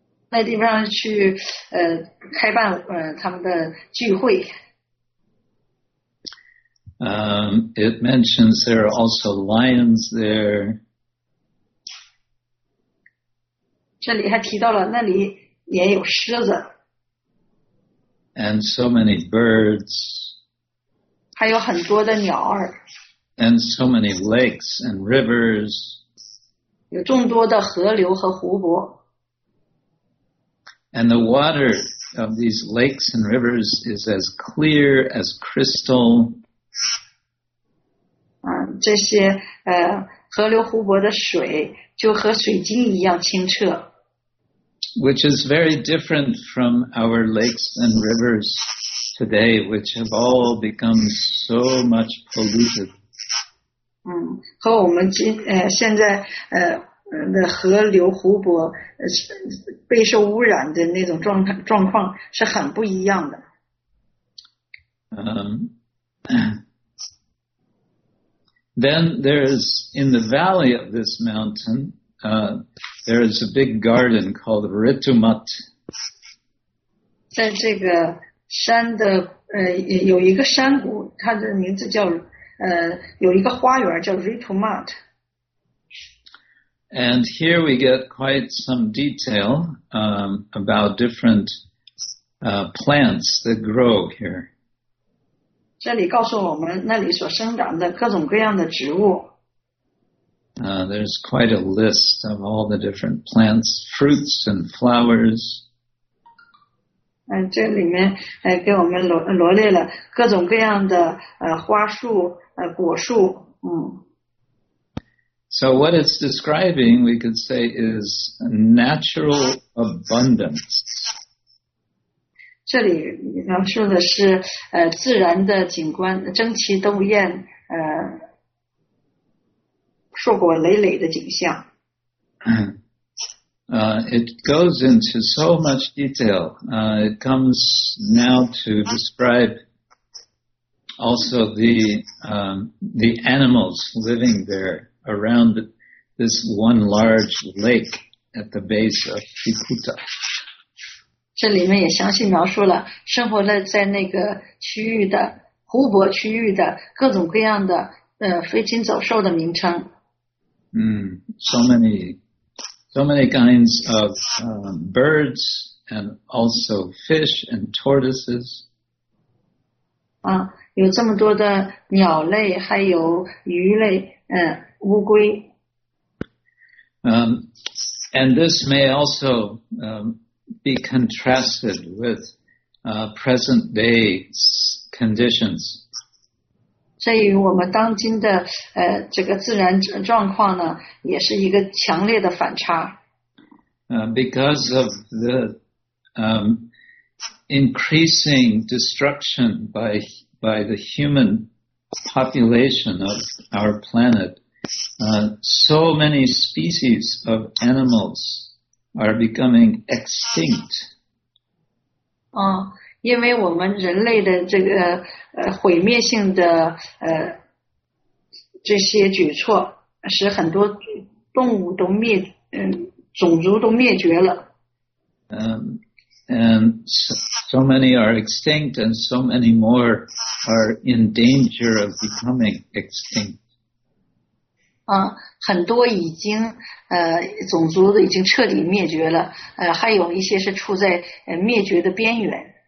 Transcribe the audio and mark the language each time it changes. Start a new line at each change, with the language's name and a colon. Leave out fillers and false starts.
Chinese: 那地方去开办他们的聚会。
English: It mentions there are also lions there.
Chinese: 这里还提到了那里也有狮子。
English: And so many birds.
Chinese: 还有很多的鸟儿。
English: And so many lakes and rivers.
Chinese: 有众多的河流和湖泊。
English: And the water of these lakes and rivers is as clear as crystal.
Chinese: 这些河流湖泊的水就和水晶一样清澈。
English: Which is very different from our lakes and rivers today, which have all become so much polluted.
Chinese: 和我们现在的河流湖泊备受污染的那种状况是很不一样的。
English: Then there is in the valley of this mountain, there is a big garden called Ritumat.
Chinese: 在这个山的有一个山谷，它的名字叫有一个花园叫 Ritumat.
English: And here we get quite some detail about different plants that grow here.
Chinese: 这里告诉我们那里所生长的各种各样的植物。
English: There's quite a list of all the different plants, fruits and flowers.
Chinese: 这里面给我们罗列了各种各样的花树果树。
English: So what it's describing, we could say, is natural abundance.
Chinese: 这里描述的是自然的景观，争奇斗艳，硕果累累的景象。
English: It goes into so much detail. It comes now to describe also the animals living there around this one large lake at the base of Tiputa.
Chinese: 这里面也详细描述了生活在那个区域的湖泊区域的各种各样的飞禽走兽的名称。
English: So many kinds of birds and also fish and tortoises.
Chinese: 有这么多的鸟类，还有鱼类，乌龟。
English: And this may also be contrasted with present day conditions.
Chinese: 所以我们当今的这个自然状况呢，也是一个强烈的反差。
English: Because of the increasing destruction by the human population of our planet, so many species of animals are becoming extinct.
Chinese: 因为我们人类的这个毁灭性的这些举措，使很多动物都灭，种族都灭绝了。
English: And so many are extinct, and so many more are in danger of becoming extinct.
Chinese: 很多已经种族已经彻底灭绝了，还有一些是处在灭绝的边缘。